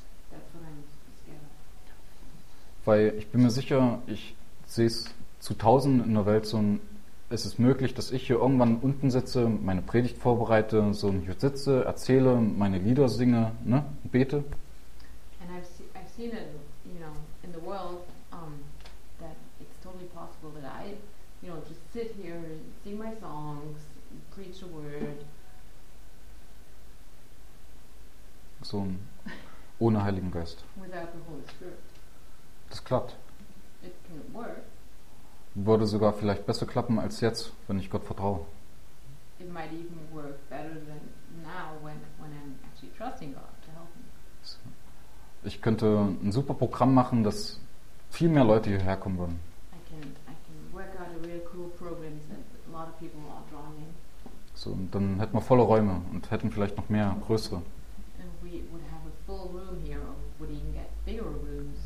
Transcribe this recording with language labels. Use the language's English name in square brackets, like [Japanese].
[English] That's what I'm scared of. [German] Weil ich bin mir sicher, ich sehe es zu tausenden in der Welt so ein, es ist möglich, dass ich hier irgendwann unten sitze, meine Predigt vorbereite, so hier sitze, erzähle, meine Lieder singe, ne, bete. [English] And I've seen it, you know, in the world, that it's totally possible that I, you know, just sit here, sing my songs, preach the word. [German] So ein, ohne Heiligen Geist. [English] Without the Holy Spirit. [German] Das klappt. [English] It can work. [German] Würde sogar vielleicht besser klappen als jetzt, wenn ich Gott vertraue. [English] It might even work better than now when I'm actually trusting God to help me. [German] Ich könnte ein super Programm machen, dass viel mehr Leute hierher kommen würden. [English] I can work out a real cool program that a lot of people are drawn in. [German] So, und dann hätten wir volle Räume und hätten vielleicht noch mehr größere. [English] And we would have a full room here or would even get bigger rooms.